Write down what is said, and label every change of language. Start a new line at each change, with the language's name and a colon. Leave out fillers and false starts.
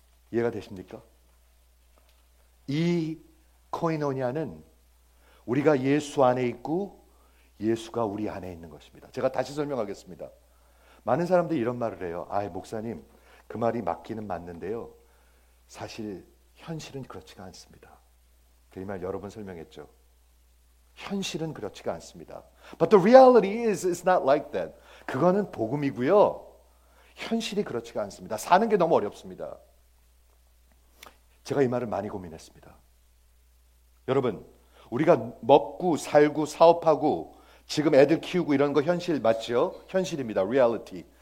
Korean: 이해가 되십니까? 이 코이노니아는 우리가 예수 안에 있고 예수가 우리 안에 있는 것입니다. 제가 다시 설명하겠습니다. 많은 사람들이 이런 말을 해요. 아이, 목사님, 그 말이 맞기는 맞는데요. 사실 현실은 그렇지가 않습니다. 그이말 여러 번 설명했죠. 현실은 그렇지가 않습니다.
English: But the reality is, it's not like that.
Korean: 그거는 복음이고요. 현실이 그렇지가 않습니다. 사는 게 너무 어렵습니다. 제가 이 말을 많이 고민했습니다. 여러분, 우리가 먹고 살고 사업하고 지금 애들 키우고 이런 거 현실 맞죠? 현실입니다. reality.